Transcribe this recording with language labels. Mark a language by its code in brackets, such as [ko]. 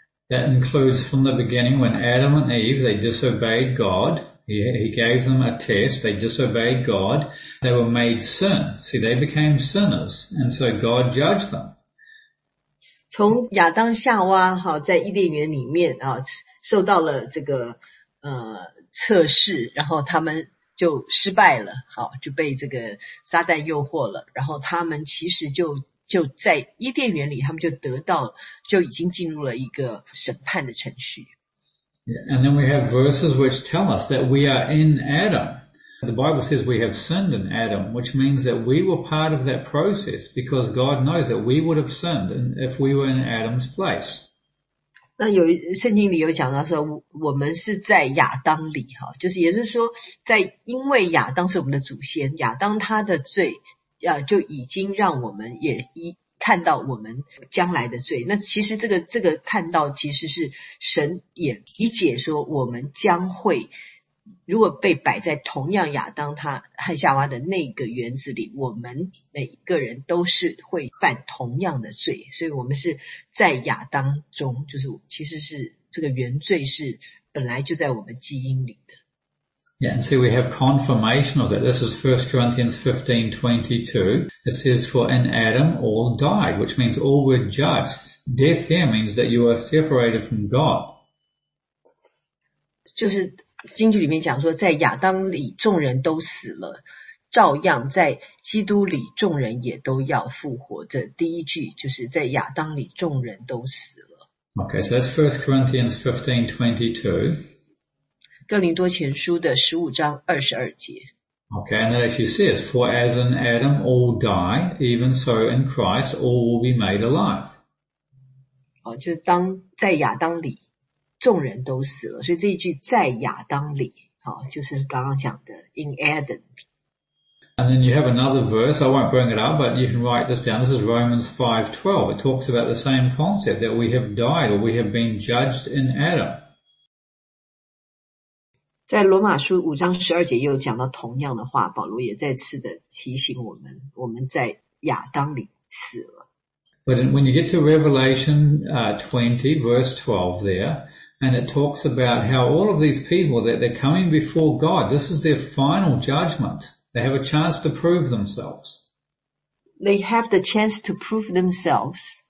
[en] That includes from the beginning when Adam and Eve, they disobeyed God. He gave them a test. They disobeyed God. They were made sin. See, they became sinners. And so God judged them. [zh] 从亚当夏娃在伊甸园里面受到了这个测试，然后他们就失败了，好，就被这个撒旦诱惑了，然后他们其实就在伊甸园里，他们就得到就已经进入了一个审判的程序。 [en] Yeah, and then we have verses which tell us that we are in Adam. The Bible says we have sinned in Adam, which means that we were part of that process because God knows that we would have sinned if we were in Adam's place. [zh] 那有圣经里有讲到说我们是在亚当里，就是也就是说在因为亚当是我们的祖先，亚当他的罪就已经让我们也看到我们将来的罪，那其实这个看到其实是神也理解说我们将会如果被摆在同样亚当他和夏娃的那个园子里，我们每个人都是会犯同样的罪，所以我们是在亚当中，就是其实是这个原罪是本来就在我们基因里的。 [en] Yeah, and see, we have confirmation of that. This is 1 Corinthians 15:22. It says, for in Adam all died, which means all were judged. Death here means that you are separated from God. [zh] 就是经句里面讲说，在亚当里众人都死了，照样在基督里众人也都要复活。这第一句就是在亚当里众人都死了。 [en] Okay, so that's 1 Corinthians 15:22. [zh] 哥林多前书的15章22节。 [en] Okay, and that actually says, for as in Adam all die, even so in Christ all will be made alive. [zh] 就是当在亚当里众人都死了，所以这一句在亚当里就是刚刚讲的 [en] in Adam. And then you have another verse, I won't bring it up, but you can write this down. This is Romans 5:12. It talks about the same concept that we have died or we have been judged in Adam. [zh] 在罗马书五章十二节又讲到同样的话，保罗也再次的提醒我们，我们在亚当里死了。 [en] But when you get to Revelation 20 verse 12 there, and it talks about how all of these people that they're coming before God, this is their final judgment. They have a chance to prove themselves. They have the chance to prove themselves.